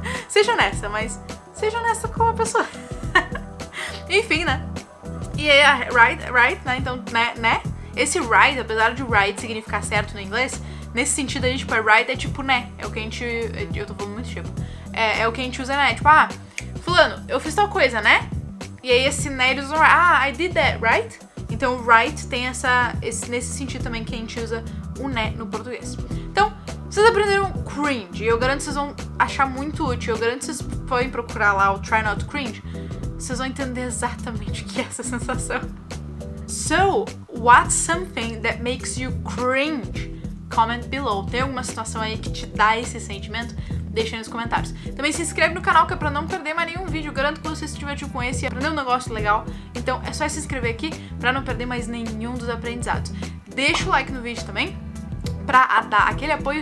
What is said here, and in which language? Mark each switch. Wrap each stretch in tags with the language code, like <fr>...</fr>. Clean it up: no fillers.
<pt>Seja honesta, mas seja honesta com a pessoa. Enfim, né? E aí a right, né? Então, né? Esse right, apesar de right significar certo no inglês, nesse sentido aí, tipo, right é tipo né. É o que a gente... Eu tô falando muito tipo. É o que a gente usa, né? Tipo, ah, fulano, eu fiz tal coisa, né? E aí esse né, eles usam, ah,</pt> <en>I did that, right?</en> <pt>Então right tem essa... nesse sentido também que a gente usa o né no português. Então, vocês aprenderam cringe. E eu garanto que vocês vão achar muito útil. Eu garanto que vocês podem procurar lá o try not cringe. Vocês vão entender exatamente o que é essa sensação.</pt> <en>So, what's something that makes you cringe? Comment below.</en> <pt>Tem alguma situação aí que te dá esse sentimento? Deixa aí nos comentários. Também se inscreve no canal, que é pra não perder mais nenhum vídeo. Garanto que você se divertiu com esse e aprendeu um negócio legal. Então é só se inscrever aqui pra não perder mais nenhum dos aprendizados. Deixa o like no vídeo também pra dar aquele apoio.</pt>